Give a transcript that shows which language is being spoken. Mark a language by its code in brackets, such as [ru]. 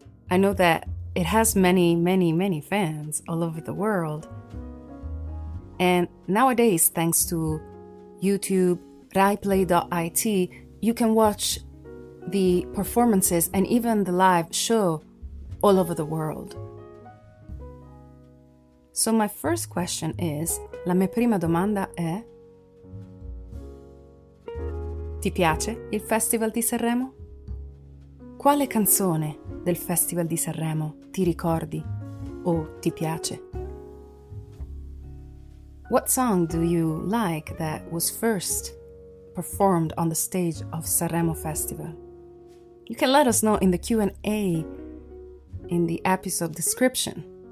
[en] I know that it has many, many, many fans all over the world. And nowadays, thanks to YouTube, RaiPlay.it, you can watch the performances and even the live show all over the world. So my first question is, [it] la mia prima domanda è, ti piace il Festival di Sanremo? Quale canzone del Festival di Sanremo ti ricordi o ti piace? [en] What song do you like that was first performed on the stage of Sanremo Festival? You can let us know in the Q&A in the episode description.